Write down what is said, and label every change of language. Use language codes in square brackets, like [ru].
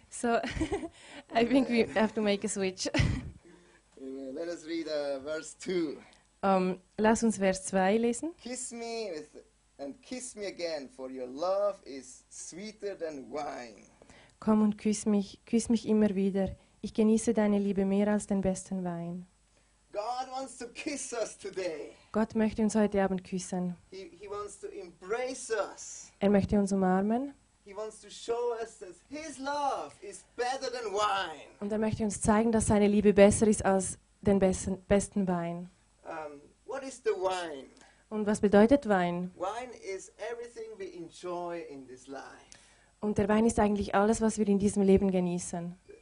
[en] So, I think we have to make a switch. Let us read verse 2. [de] Lass uns Vers 2 lesen. [en] Kiss me and kiss me again, for your love is sweeter than wine. [de] Komm und küss mich immer wieder. Ich genieße deine Liebe mehr als den besten Wein. [en] God wants to kiss us today. [de] Gott möchte uns heute Abend küssen. [en] He wants to embrace us. [de] Er möchte uns umarmen. [en] He wants to show us that his love is better than wine. [de] Und er möchte uns zeigen, dass seine Liebe besser ist als den besten Wein. [en] What is the wine? [de] Und was bedeutet Wein? [en] Wine is everything we enjoy in this life. [de] Und der Wein ist eigentlich alles, was wir in diesem Leben genießen.